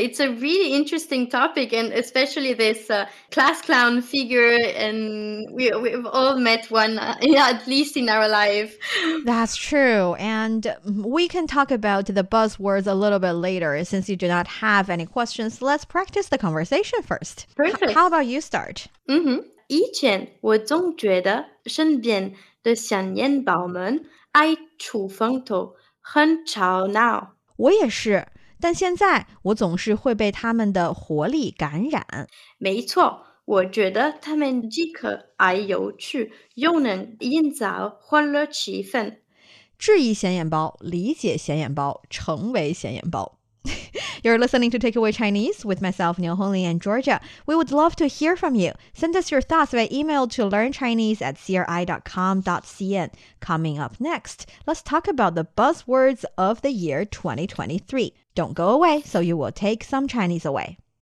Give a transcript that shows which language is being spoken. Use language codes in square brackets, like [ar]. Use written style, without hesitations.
[en] It's a really interesting topic, and especially this class clown figure, and we've all met one at least in our life. That's true. And we can talk about the buzzwords a little bit later. Since you do not have any questions, let's practice the conversation first. Perfect. How about you start? [zh] 以前我总觉得身边的显眼包们爱出风头很吵闹。我也是，但现在我总是会被他们的活力感染。没错，我觉得他们既可爱有趣，又能营造欢乐气氛。质疑显眼包，理解显眼包，成为显眼包。 [en] You're listening to Takeaway Chinese with myself, Niu Hongli, and Georgia. We would love to hear from you. Send us your thoughts by email to learnchinese@cri.com.cn. Coming up next, let's talk about the buzzwords of the year 2023. Don't go away, so you will take some Chinese away.